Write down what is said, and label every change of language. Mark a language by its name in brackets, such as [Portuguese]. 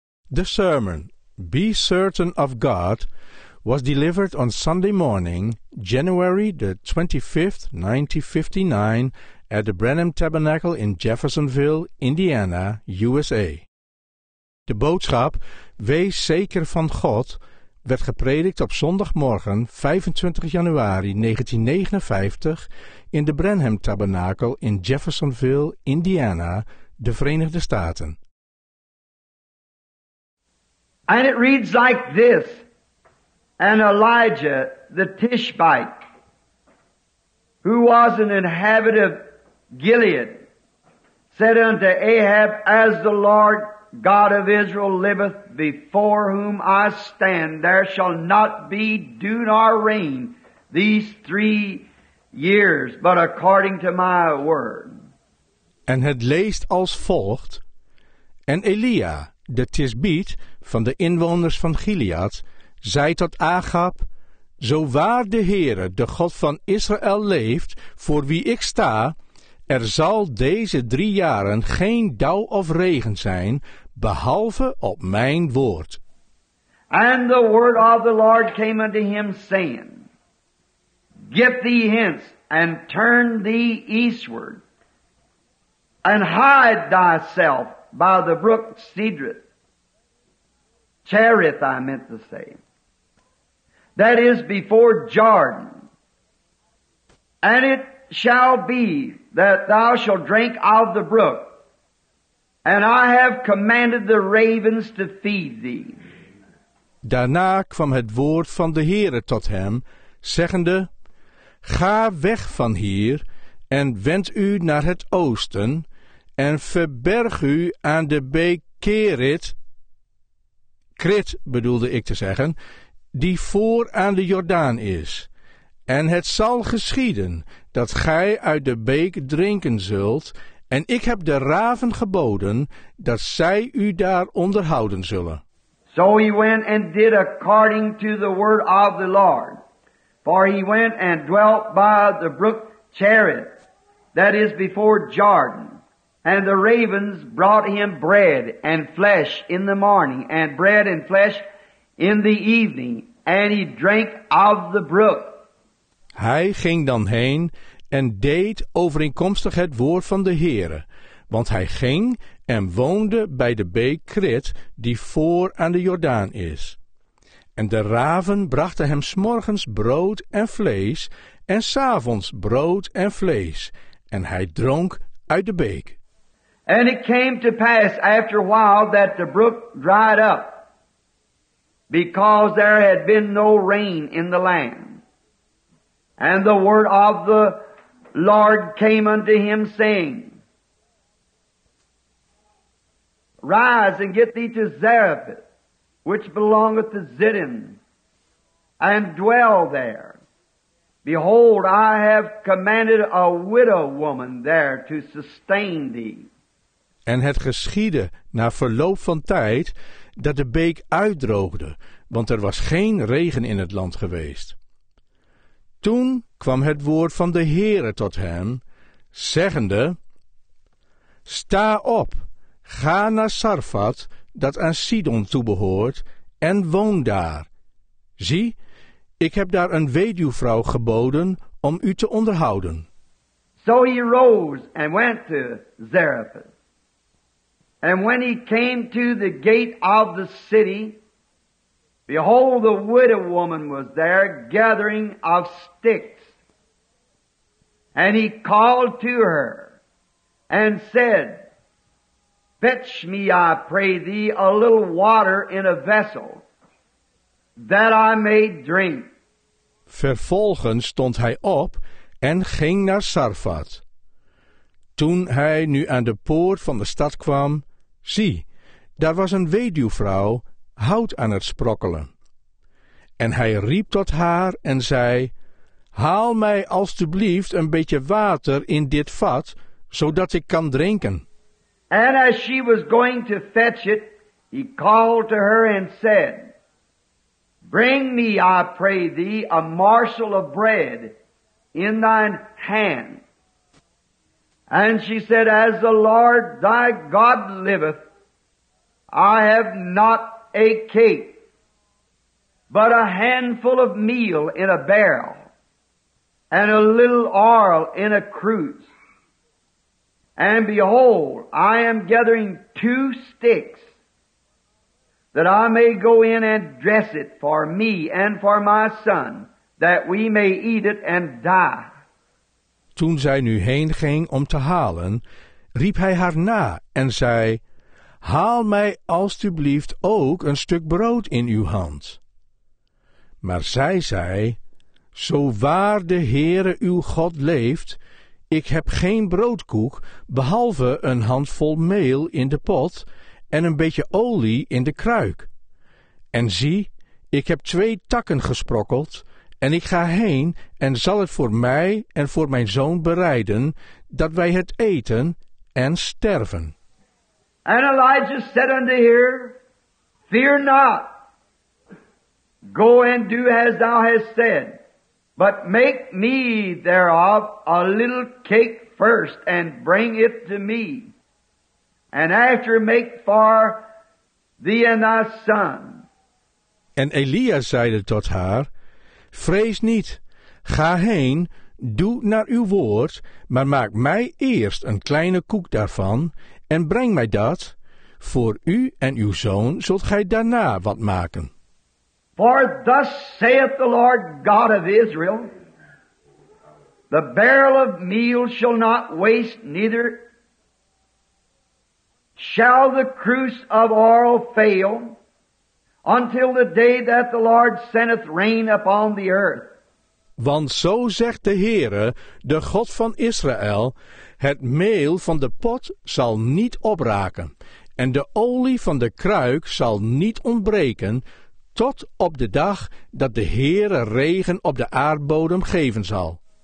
[English] The sermon, Be Certain of God, was delivered on Sunday morning, January the 25th, 1959, at the Branham Tabernacle in Jeffersonville, Indiana, USA. [Dutch] De boodschap, Wees zeker van God, werd gepredikt op zondagmorgen 25 januari 1959 in de Branham Tabernacle in Jeffersonville, Indiana, de Verenigde Staten. [English] And it reads like this, and Elijah the Tishbite, who was an inhabitant of Gilead, said unto Ahab, As the Lord God of Israel liveth, before whom I stand, there shall not be dew nor rain these 3 years, but according to my word. [Dutch] En het leest als volgt, En Elia, de Tisbiet van de inwoners van Gilead, zei tot Ahab, Zo waar de Heere, de God van Israël, leeft, voor wie ik sta, er zal deze 3 jaren geen dauw of regen zijn, behalve op mijn woord. [English] And the word of the Lord came unto him, saying, Get thee hence, and turn thee eastward, and hide thyself, by the brook Cedrith, Cherith I meant to say, that is before Jordan. And it shall be that thou shalt drink of the brook, and I have commanded the ravens to feed thee. [Dutch] Daarna kwam het woord van de Heere tot hem, zeggende, Ga weg van hier, en wend u naar het oosten, en verberg u aan de beek Kerit, Krit bedoelde ik te zeggen, die voor aan de Jordaan is. En het zal geschieden, dat gij uit de beek drinken zult, en ik heb de raven geboden, dat zij u daar onderhouden zullen. [English] So he went and did according to the word of the Lord, for he went and dwelt by the brook Cherit, that is before Jordan. And the ravens brought him bread and flesh in the morning, and bread and flesh in the evening, and he drank of the brook. [Dutch] Hij ging dan heen en deed overeenkomstig het woord van de Heere, want hij ging en woonde bij de beek Krit, die voor aan de Jordaan is. En de raven brachten hem 's morgens brood en vlees, en 's avonds brood en vlees, en hij dronk uit de beek. [English] And it came to pass after a while that the brook dried up, because there had been no rain in the land. And the word of the Lord came unto him, saying, Rise and get thee to Zarephath, which belongeth to Zidon, and dwell there. Behold, I have commanded a widow woman there to sustain thee. [Dutch] En het geschiedde na verloop van tijd dat de beek uitdroogde, want er was geen regen in het land geweest. Toen kwam het woord van de Heere tot hem, zeggende, Sta op, ga naar Sarfat, dat aan Sidon toebehoort, en woon daar. Zie, ik heb daar een weduwvrouw geboden om u te onderhouden. [English] So he rose and went to Zarephath. And when he came to the gate of the city, behold, the widow woman was there gathering of sticks. And he called to her and said, Fetch me, I pray thee, a little water in a vessel, that I may drink. [Dutch] Vervolgens stond hij op en ging naar Sarfat. Toen hij nu aan de poort van de stad kwam, Zie, daar was een weduwvrouw hout aan het sprokkelen. En hij riep tot haar en zei, Haal mij alstublieft een beetje water in dit vat, zodat ik kan drinken. [English] And as she was going to fetch it, he called to her and said, Bring me, I pray thee, a morsel of bread in thine hand. And she said, As the Lord thy God liveth, I have not a cake, but a handful of meal in a barrel, and a little oil in a cruse. And behold, I am gathering two sticks, that I may go in and dress it for me and for my son, that we may eat it and die. [Dutch] Toen zij nu heen ging om te halen, riep hij haar na en zei, haal mij alstublieft ook een stuk brood in uw hand. Maar zij zei, zo waar de Heere uw God leeft, ik heb geen broodkoek, behalve een handvol meel in de pot en een beetje olie in de kruik. En zie, ik heb twee takken gesprokkeld, en ik ga heen en zal het voor mij en voor mijn zoon bereiden, dat wij het eten en sterven. [English] And Elijah said unto her, fear not, go and do as thou hast said, but make me thereof a little cake first, and bring it to me. And after make for thee and thy son. [Dutch] En Elia zeide tot haar, vrees niet, ga heen, doe naar uw woord, maar maak mij eerst een kleine koek daarvan, en breng mij dat, voor u en uw zoon zult gij daarna wat maken. [English] For thus saith the Lord God of Israel, the barrel of meal shall not waste, neither shall the cruse of oil fail, until the day that the Lord sendeth rain upon the earth. [Dutch] Want zo zegt de Heere, de God van Israël, het meel van de pot zal niet opraken, en de olie van de kruik zal niet ontbreken, tot op de dag dat de Heere regen op de aardbodem geven zal.